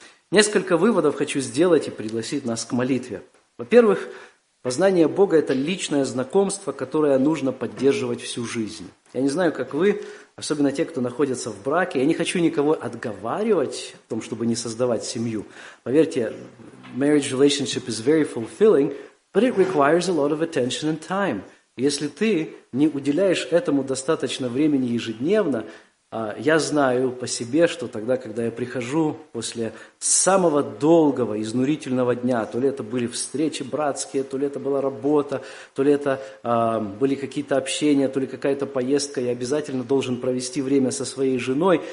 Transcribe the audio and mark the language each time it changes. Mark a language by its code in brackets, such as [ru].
[ru] Несколько выводов хочу сделать и пригласить нас к молитве. Во-первых, познание Бога – это личное знакомство, которое нужно поддерживать всю жизнь. Я не знаю, как вы, особенно те, кто находится в браке, я не хочу никого отговаривать в том, чтобы не создавать семью. Поверьте, [en] marriage relationship is very fulfilling – but it requires a lot of attention and time. [ru] Если ты не уделяешь этому достаточно времени ежедневно, я знаю по себе, что тогда, когда я прихожу после самого долгого, изнурительного дня, то ли это были встречи братские, то ли это была работа, то ли это были какие-то общения, то ли какая-то поездка, я обязательно должен провести время со своей женой.